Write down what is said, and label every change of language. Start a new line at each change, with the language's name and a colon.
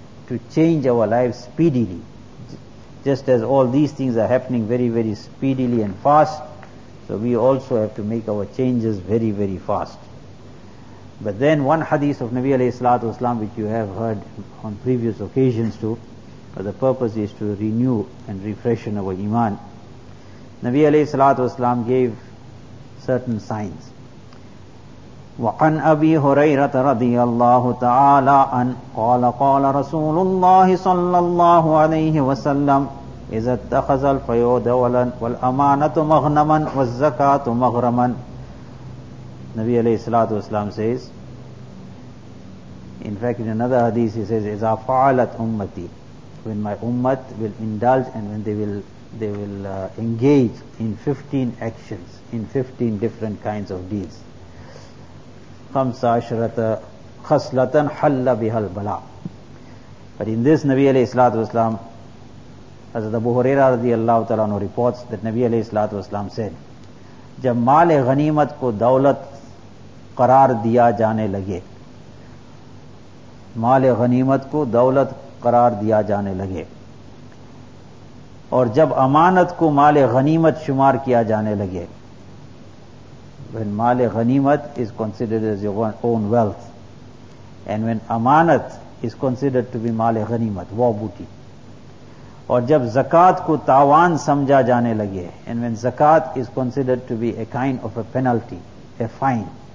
English: to change our lives speedily. Just as all these things are happening very, very speedily and fast, so we also have to make our changes very, very fast. But then one hadith of Nabi alayhi salatu wasalam, which you have heard on previous occasions too, but the purpose is to renew and refreshen our iman. Nabi alayhi salatu wasalam gave certain signs.
Arabic: وعن أبي هريرة رضي الله تعالى عن قال قال رسول الله صلى الله عليه وسلم إذا اتخذ الفيود دولا والأمانة مغنما والزكاة مغرما.
English: نبي عليه الصلاة والسلام says, in fact in another hadith he says,
Arabic: إذا فعلت أمتي,
English: when my ummah will indulge and when they will engage in 15 actions, in 15 different kinds of deeds.
Arabic: خمسة عشرة خصلة حل بها البلاء.
English: But in this Nabi alayhi salatu wasalam, as the Abu Huraira radiallahu ta'ala anhu reports that Nabi alayhi salatu wasalam said,
Urdu: جب مال غنیمت کو دولت قرار دیا جانے لگے, مال غنیمت کو دولت قرار دیا جانے لگے,
English: اور جب امانت کو مال غنیمت شمار کیا جانے لگے, when mal-e ghanimat is considered as your own wealth, and when amanat is considered to be mal-e ghanimat, wo booty,
Urdu: aur jab zakat ko tawan samjha jane lage,
English: and when zakat is considered to be a kind of a penalty, a fine,